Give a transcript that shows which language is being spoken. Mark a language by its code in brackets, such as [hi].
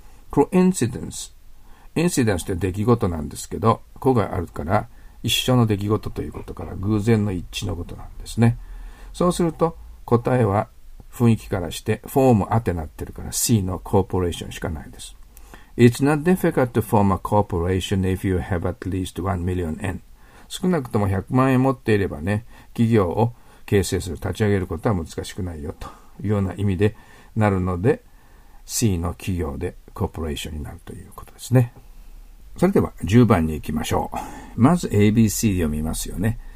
[ja] Coincidence、インシデンスって出来事なんですけど、子があるから一緒の出来事ということから偶然の一致のことなんですね。そうすると答えは雰囲気からしてフォームあてなってるから C のコーポレーションしかないです。 [en] It's not difficult to form a corporation if you have at least 1 million yen。 [ja] 少なくとも100万円持っていればね、企業を形成する、立ち上げることは難しくないよというような意味でなるので、C の企業でコーポレーションになるということですね。それでは10番に行きましょう。まず ABC 読みますよね。